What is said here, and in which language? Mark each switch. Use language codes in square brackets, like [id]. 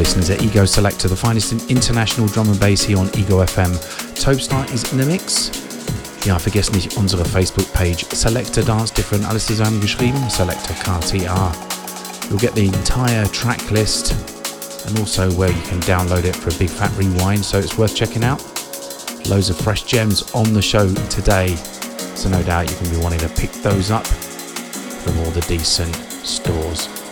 [en] At Ego Selector, the finest in international drum and bass here on Ego FM. Topestar is in the mix. [de] Ja, vergesst nicht unsere Facebook page, Selector Dance Different, alles zusammengeschrieben, Selector KTR. [en] You'll get the entire track list and also where you can download it for a big fat rewind, so it's worth checking out. Loads of fresh gems on the show today, so no doubt you're going to be wanting to pick those up from all the decent stores.